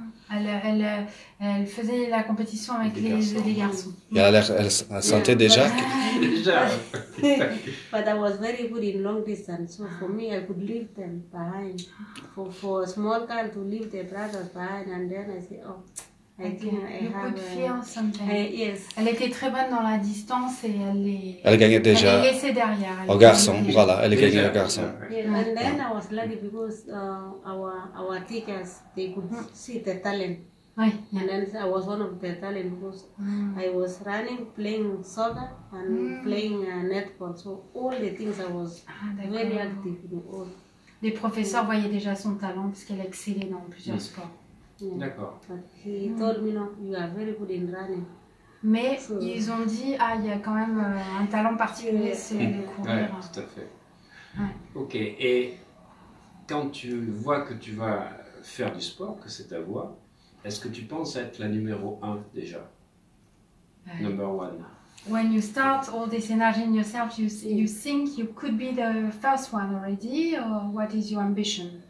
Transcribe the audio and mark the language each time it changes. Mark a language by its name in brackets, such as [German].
[French] Elle faisait la compétition avec les garçons. Mm. Elle sentait yeah, déjà. Déjà. [English] But I was very good in long distance, so for me I could leave them behind. For a small girl to leave their brothers behind, and then I say, oh. [French] Elle était très bonne dans la distance et elle gagnait déjà. Elle est laissée derrière. Au garçon, voilà, elle gagnait au garçon. [English] And then I was lucky because our teachers they could see the talent. [French] Oui. [English] And then I was one of the talent because I was running, playing soccer and playing netball. So all the things I was very active in all. [French] Les professeurs voyaient déjà son talent puisqu'elle excellait dans plusieurs sports. Yeah. D'accord. [English] But he told me, no, you are very good in running. [French] Mais so, ils ont dit, ah, il y a quand même un talent particulier, c'est de courir. Ouais, tout à fait. Ouais. Ok, et quand tu vois que tu vas faire du sport, que c'est ta voie, est-ce que tu penses être la numéro 1 déjà? [English] Number 1. When you start all this energy in yourself, you think you could be the first one already, or what is your ambition?